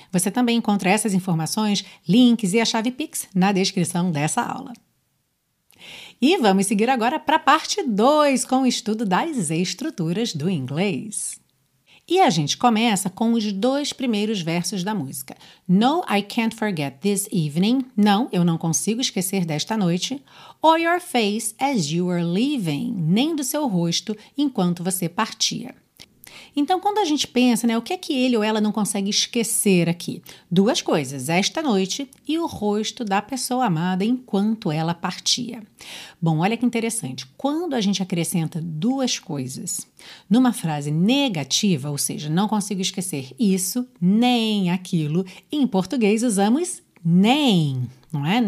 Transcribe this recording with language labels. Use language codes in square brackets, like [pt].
[pt] Você também encontra essas informações, links e a chave Pix na descrição dessa aula. E vamos seguir agora para a parte 2, com o estudo das estruturas do inglês. E a gente começa com os 2 primeiros versos da música. [en] No, I can't forget this evening. [pt] Não, eu não consigo esquecer desta noite. [en] Or your face as you were leaving. [pt] Nem do seu rosto enquanto você partia. Então, quando a gente pensa, né, o que é que ele ou ela não consegue esquecer aqui? 2 coisas, esta noite e o rosto da pessoa amada enquanto ela partia. Bom, olha que interessante, quando a gente acrescenta 2 coisas numa frase negativa, ou seja, não consigo esquecer isso nem aquilo, em português usamos nem, não é?